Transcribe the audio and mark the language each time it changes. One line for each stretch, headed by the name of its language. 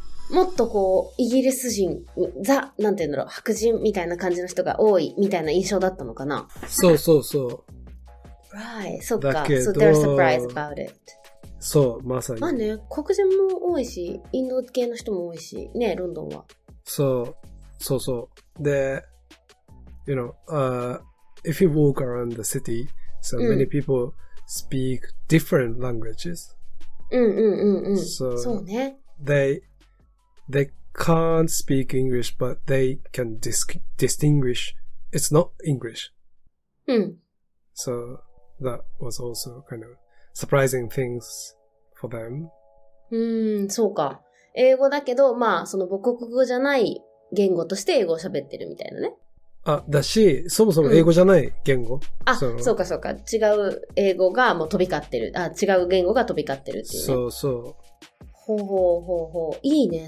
Japanese: もっとこうイギリス人ザなんていうんだろう白人みたいな感じの人が多いみたいな印象だったのかな。そうそうそう。
English: Right,
Japanese: そっか。
English: So they're surprised about it.
Japanese: そうまさに。まあね黒人も多いしインド系の人も多いしねロンドンは。そうそうそう。で、
English: you know, if you walk around the city, so many people speak different languages.
Japanese: So そうね。
English: They can't speak English, but they can distinguish. It's not English. So that was also kind of surprising things for them.
Japanese: そうか。英語だけど、まあ、その母国語じゃない言語として英語を喋ってるみたいなね。あ、だし、そもそも英語じゃない言語。あ、そうかそうか。違う英語がもう飛び交ってる。あ、違う言語が飛び交ってるっていうね。そうそう。ほうほうほうほう。いいね。